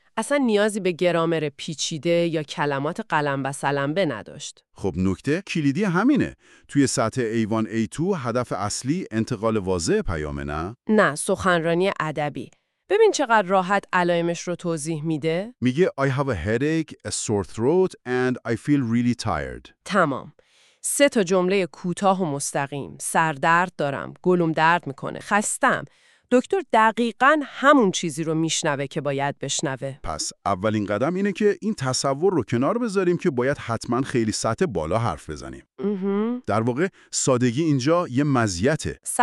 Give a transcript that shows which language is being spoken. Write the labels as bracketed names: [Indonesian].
[Persian] اصلا نیازی به گرامر پیچیده یا کلمات قلم و سلمبه نداشت. خب نکته کلیدی همینه. توی سطح ایوان A2 هدف اصلی انتقال واضح پیامه، نه؟ نه، سخنرانی ادبی. ببین چقدر راحت علائمش رو توضیح میده. میگه [English] I have a headache, a sore throat and I feel really tired. [Persian] تمام. 3 تا جمله کوتاه و مستقیم. سردرد دارم، گلوم درد میکنه، خستم. دکتر دقیقاً همون چیزی رو میشنوه که باید بشنوه. پس اولین قدم اینه که این تصور رو کنار بذاریم که باید حتماً خیلی سطح بالا حرف بزنیم. در واقع سادگی اینجا یه مزیته.